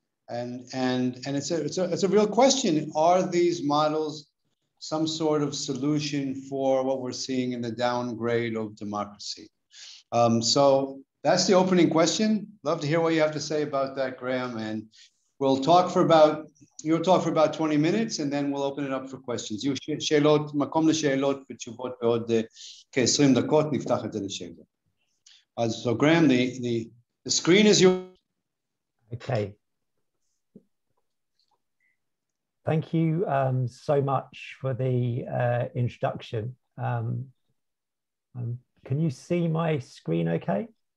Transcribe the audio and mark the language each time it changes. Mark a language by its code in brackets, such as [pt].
[en] And it's a real question. Are these models some sort of solution for what we're seeing in the downgrade of democracy? So that's the opening question. Love to hear what you have to say about that, Graham. And we'll talk for about, you'll talk for about 20 minutes and then we'll open it up for questions. [he] You שאלות, מקום לשאלות ותשובות בעוד כ-20 דקות, נפתח את זה לשאלות. [en] So Graham, the screen is yours. Okay. Thank you so much for the introduction. Can you see my screen okay?